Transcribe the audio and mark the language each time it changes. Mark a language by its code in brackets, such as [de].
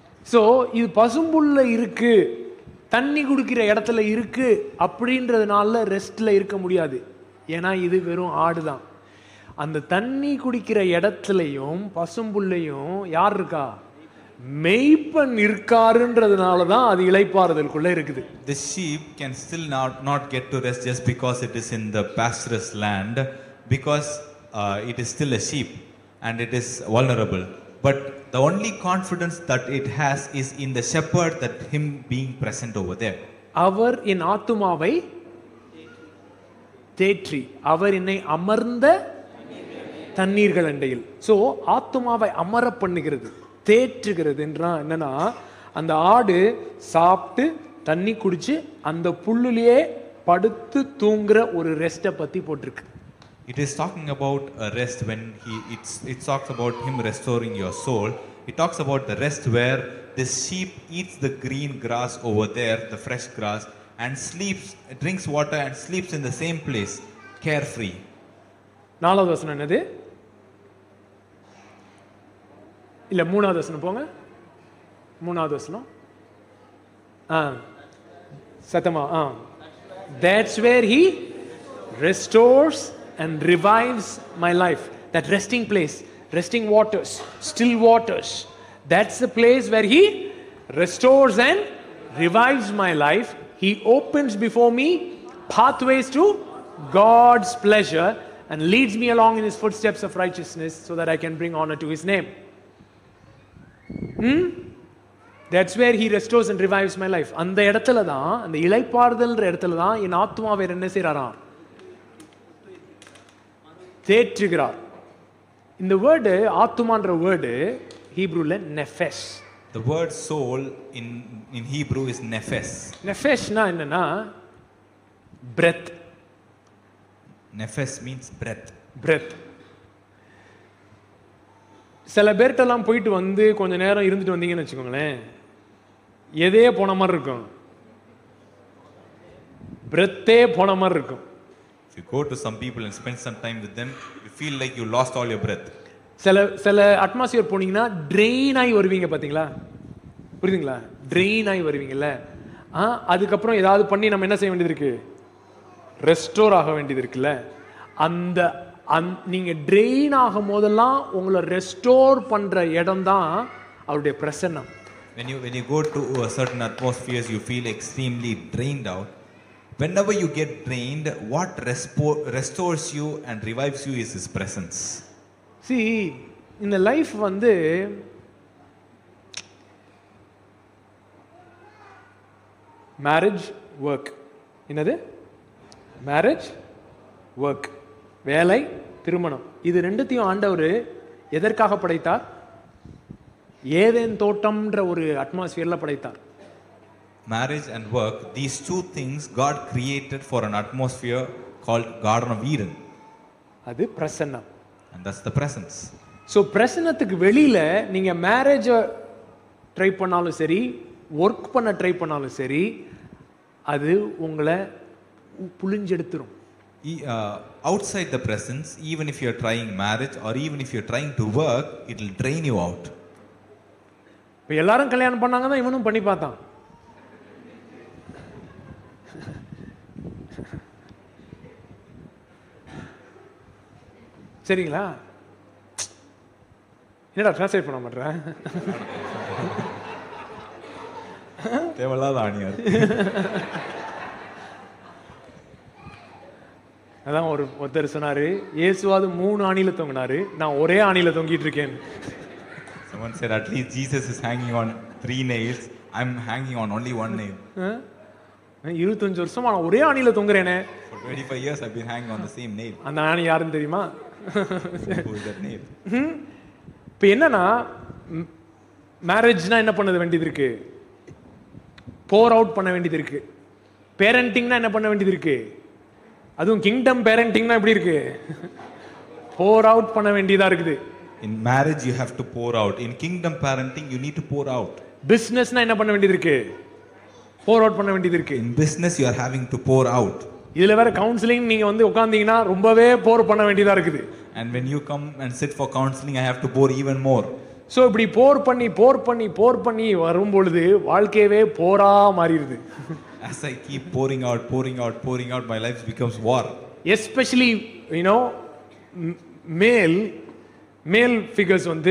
[ta] So இது பசும்புல்ல இருக்கு, தண்ணி குடிக்கிற இடத்துல இருக்கு அப்படின்றதுனால ரெஸ்ட்ல இருக்க முடியாது. ஏன்னா இது வெறும் ஆடு தான். அந்த தண்ணி குடிக்கிற இடத்துலையும் பசும்புல்லையும் யார் இருக்கா? மேய்ப்பன் இருக்காருன்றதுனால தான் அது இளைப்பாறுதலுக்குள்ள இருக்குது. [en] The sheep can still not get to rest just because it is in the pastures land, because it is still a sheep and it is vulnerable. But the only confidence that it has is in the shepherd, that him being present over there. [ta] அவர் என் ஆத்துமாவை தேற்றி, அவர் என்னை அமர்ந்த தண்ணீர்கள் அண்டையில். So ஆத்துமாவை அமர பண்ணுகிறது, தேற்றுகிறது என்றா என்னன்னா, அந்த ஆடு சாப்பிட்டு தண்ணி குடிச்சு அந்த புல்லுலயே படுத்து தூங்குற ஒரு ரெஸ்ட பத்தி போட்டிருக்கு. [en] It is talking about a rest when it talks about him restoring your soul. It talks about the rest where the sheep eats the green grass over there, the fresh grass, and sleeps, drinks water and sleeps in the same place, carefree. [ta] நாலாவது வசனம் என்னது? இல்ல மூணாவது வசனம் போங்க. மூணாவது வசனம் சத்தமா, [en] that's where he restores and revives my life. That resting place, resting waters, still waters, that's the place where he restores and revives my life. He opens before me pathways to God's pleasure and leads me along in his footsteps of righteousness, so that I can bring honor to his name. That's where he restores and revives my life. [ta] அந்த இடத்துல தான், அந்த இளைப்பாறுதல்ன்ற இடத்துல தான் என் ஆத்மா வேற என்ன செய்றாராம், தேற்றுகிறார். இந்த word ஆத்மான்ற word ஹீப்ரூல நெஃபெஸ். [en] The word soul in Hebrew is nefesh. [ta] Nefesh na enna breath. [en] Nefesh means breath. Breath. [ta] சில பேர்ட்ட எல்லாம் போயிட்டு வந்து கொஞ்ச நேரம் இருந்துட்டு வந்தீங்கன்னு வச்சுக்கோங்களேன், எதே போன மாதிரி இருக்கும், பிரத்தே போன மாதிரி இருக்கும். [en] If you go to some people and spend some time with them, you feel like you lost all your breath. [ta] சில அட்மாஸ்பியர் போனீங்கன்னா ட்ரெயின் ஆகி வருவீங்க, பார்த்தீங்களா, புரியுதுங்களா, ட்ரெயின் ஆகி வருவீங்கல்ல. அதுக்கப்புறம் ஏதாவது பண்ணி நம்ம என்ன செய்ய வேண்டியது இருக்கு, ரெஸ்டோர் ஆக வேண்டியது இருக்குல்ல. அந்த நீங்க ட்ரெயின் ஆகும் போதெல்லாம் உங்களை ரெஸ்டோர் பண்ற இடம் தான் அவருடைய பிரசன்னம். [en] When you go to a certain atmospheres, you feel extremely drained out. Whenever you get drained, what restores you and revives you is his presence. See, in the life [ta] vandu marriage work inadhu marriage work velai திருமணம், இது ரெண்டுத்தையும் ஆண்டவர் எதற்காக படைத்தார்? Eden தோட்டம்ன்ற ஒரு அட்மாஸ்பியர்ல படைத்தார். [en] Marriage and work, these two things God created for an atmosphere called Garden of Eden. [ta] அது பிரசன்னம். [en] And that's the presence. [ta] So பிரசன்னத்துக்கு வெளியில நீங்க மேரேஜ் ட்ரை பண்ணாலும் சரி, ஒர்க் பண்ண ட்ரை பண்ணாலும் சரி, அது உங்களை புளிஞ்செடுத்துரும். [en] Outside the presence, even if you are trying marriage or even if you are trying to work, it will drain you out. [ta] இப்ப எல்லாரும் கல்யாணம் பண்ணாங்க தான், இவனும் பண்ணி பார்த்தான் சரிங்களா, என்னடா டிரான்ஸ்லேட் பண்ண மாட்டேறேன், தேவையில்லாத ஆணியார். அதான் ஒரு ஒருத்தர் சொன்னாரு, இயேசுவாது மூணு ஆணியில தொங்கினாரு, நான் ஒரே ஆணியில தொங்கிட்டு இருக்கேன். [en] Someone said, at least Jesus is hanging on three nails, I'm hanging on only one nail. [ta] 25 வருஷமா நான் ஒரே ஆணியில தொங்குறேனே. [en] For 25 years I've been hanging on the same nail. [ta] அந்த ஆணி யாரும் தெரியுமா? [en] Who is that nail? [ta] இப்ப என்னன்னா, மேரேஜ்னா என்ன பண்ணது வேண்டியது இருக்கு, போர் அவுட் பண்ண வேண்டியது இருக்கு. பேரண்டிங்னா என்ன பண்ண வேண்டியது இருக்கு, அதுவும் கிங்டம் பேரண்டிங்னா எப்படி இருக்கு, போர் அவுட் பண்ண வேண்டியதா இருக்குது. [en] In marriage you have to pour out. In kingdom parenting you need to pour out. [ta] Businessனா என்ன பண்ண வேண்டியது இருக்கு, போர் அவுட் பண்ண வேண்டியது இருக்கு. [en] In business you are having to pour out. [ta] இதுல வேற கவுன்சிலிங் நீங்க வந்து உட்கார்ந்தீங்கனா ரொம்பவே போர் பண்ண வேண்டியதா இருக்குது. [en] And when you come and sit for counseling I have to pour even more. [ta] So இப்படி போர் பண்ணி போர் பண்ணி போர் பண்ணி வரும் பொழுது வாழ்க்கையவே போரா மாறிடுது. [en] As I keep pouring out, my life becomes war. Especially, you know, male figures,